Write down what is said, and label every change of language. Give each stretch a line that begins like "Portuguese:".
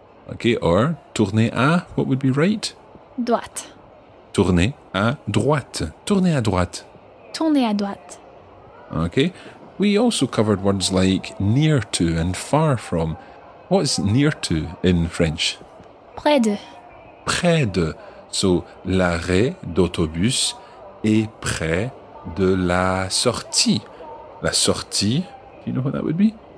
English: Okay, or
French: tourner à,
English: what would be right?
French: Droite. Tourner à droite. Tourner à droite. Tourner à droite.
English: Okay. We also covered words like near to and far from. What's near to in French?
French: Près de. Près de. So, l'arrêt d'autobus est près de la sortie.
English: La sortie, do you know what that would be?